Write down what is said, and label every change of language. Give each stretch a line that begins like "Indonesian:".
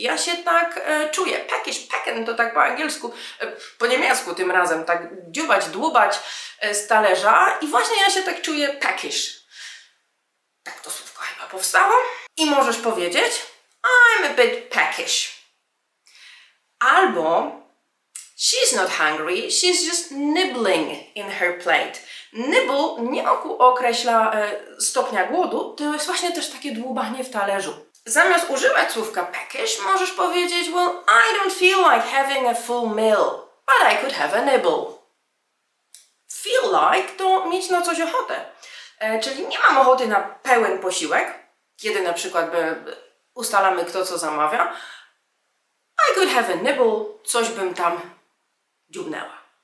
Polish: Ja się tak czuję. Peckish, pecken to tak po angielsku, po niemiecku tym razem, tak dziubać, dłubać z talerza i właśnie ja się tak czuję peckish. Tak to słówko chyba powstało. I możesz powiedzieć
English: I'm a bit peckish. Albo she's not hungry, she's just nibbling in her plate.
Polish: Nibble nie określa stopnia głodu, to jest właśnie też takie dłubanie w talerzu. Zamiast używać słówka peckish, możesz powiedzieć
English: well, I don't feel like having a full meal, but I could have a nibble.
Polish: Feel like to mieć na coś ochotę. Czyli nie mam ochoty na pełen posiłek, kiedy na przykład ustalamy kto co zamawia.
English: I could have a nibble,
Polish: coś bym tam dziubnęła.